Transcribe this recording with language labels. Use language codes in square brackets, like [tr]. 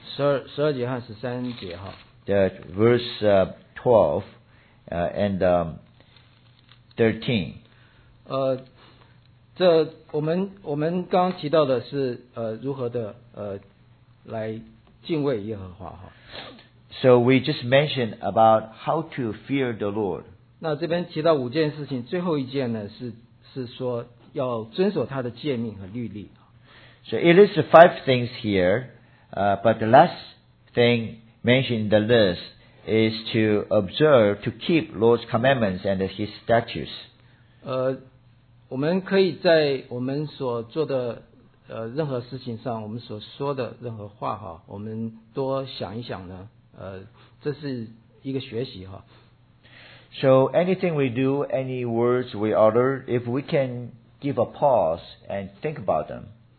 [zh] 十二节和十三节哈。 [en] The verse 12, and 13. [zh] 这我们刚刚提到的是如何的来敬畏耶和华哈。 [en] So we just mentioned about how to fear the Lord. [zh] 那这边提到五件事情，最后一件呢是说要遵守他的诫命和律例。 [en] So it is five things here, but the last thing mentioned in the list is to observe, to keep Lord's commandments and His statutes. [zh] 我们可以在我们所做的 任何事情上我们所说的任何话，我们多想一想呢，这是一个学习哈。 [en] So anything we do, any words we utter, if we can give a pause and think about them.